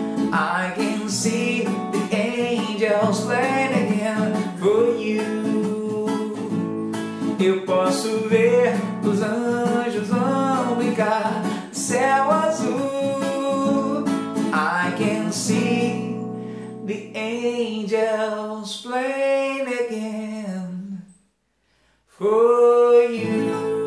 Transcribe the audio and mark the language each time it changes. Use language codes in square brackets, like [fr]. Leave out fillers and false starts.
[en] I can see the angels playing again for you. [pt] Eu posso ver os anjos vão brincar, céu azul. [en] I can see the angels playing again for you.